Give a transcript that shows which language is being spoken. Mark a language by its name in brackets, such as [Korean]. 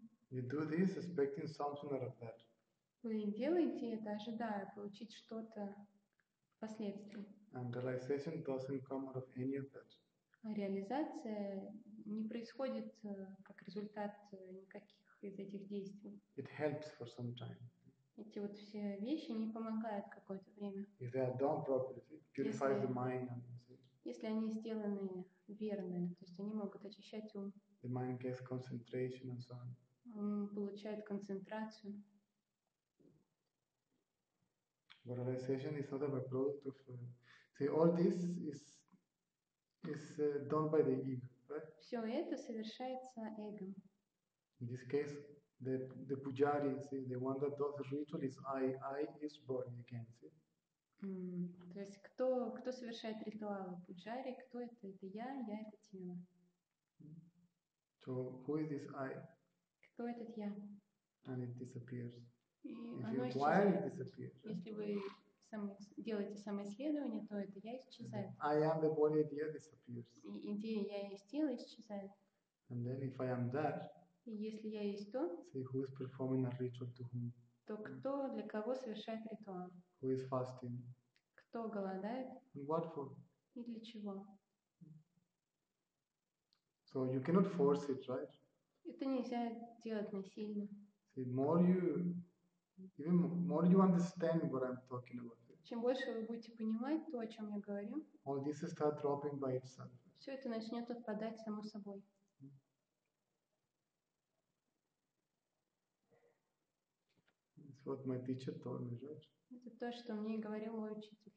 [English] You do this expecting something out of that. [Russian] Вы делаете это, ожидая получить что-то впоследствии. [English] And realization doesn't come out of any of that. [Russian] Реализация не происходит как результат никаких из этих действий. [English] It helps for some time. [Russian] Эти вот все вещи не помогают какое-то время. [English] If they are done properly, it purifies the mind. [Russian] Если они сделаны верно, то есть они могут очищать ум. [English] The mind gets concentration and so on. [Russian] Ум получает концентрацию. [English] But realization is not a product of see all this is done by the ego, right? [Russian] Все это совершается эго. [English] In this case, the pujari, see, the one that does the ritual is I is born again, see? [Russian] То есть кто совершает ритуалы? Пуджари, кто это? Это я это тело. [English] So who is this I? [Russian] Кто этот я? [English] And it disappears. If you acquire, it disappears. [Russian] Если вы делаете самоисследование, то это я исчезает. [English] I am the body, idea disappears. [Russian] И идея я есть тело исчезает. [English] And then if I am that, [Russian] и если я есть то, [English] see who is performing a ritual to whom? [Russian] То кто для кого совершает ритуал? [English] Who is fasting? [Russian] Кто голодает? [English] And what for? [Russian] И для чего? [English] So you cannot force it, right? [Russian] Это нельзя делать насильно. [English] See, more you understand what I'm talking about. [Russian] Чем больше вы будете понимать то, о чем я говорю, [English] all this start dropping by itself. [Russian] Все это начнет отпадать само собой. [English] That's what my teacher told me, right? [Russian] Это то, что мне говорил мой учитель.